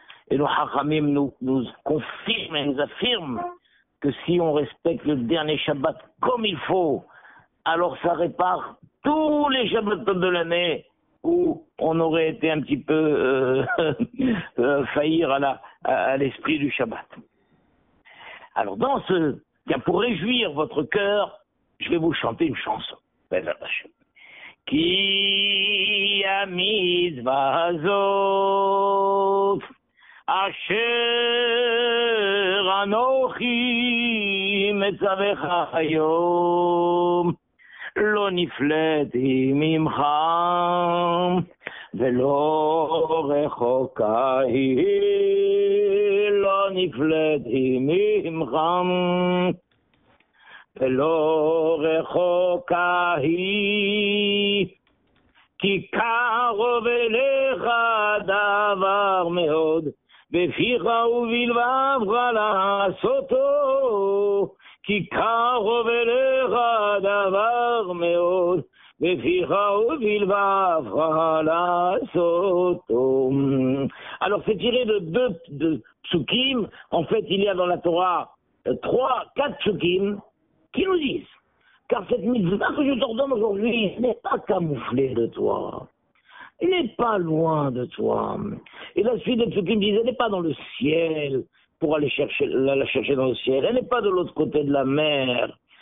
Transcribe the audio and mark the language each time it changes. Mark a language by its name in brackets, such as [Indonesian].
[French] Et nos hachamim nous confirment et nous affirment que si on respecte le dernier Shabbat comme il faut, alors ça répare tous les Shabbats de l'année où on aurait été un petit peu faillir à l'esprit du Shabbat. Alors dans ce cas, pour réjouir votre cœur, je vais vous chanter une chanson. [Hebrew] Qui a mis vazot Asher anochi metzavecha hayom Lo nifleti mimcha Velo rechoka hi Lo nifleti mimcha ולא רחוקה היא, כי קרוב אליך דבר מאוד, בפיך ובלבבך לעשותו, כי קרוב אליך דבר מאוד, בפיך ובלבבך לעשותו. [French] Alors c'est tiré de deux psukim, en fait il y a dans la Torah quatre psukim, qui nous disent, car cette mitzvah que je t'ordonne aujourd'hui n'est pas camouflée de toi, n'est pas loin de toi. Et la suite de ce qu'il me disait, elle n'est pas dans le ciel, pour aller chercher, la chercher dans le ciel, elle n'est pas de l'autre côté de la mer.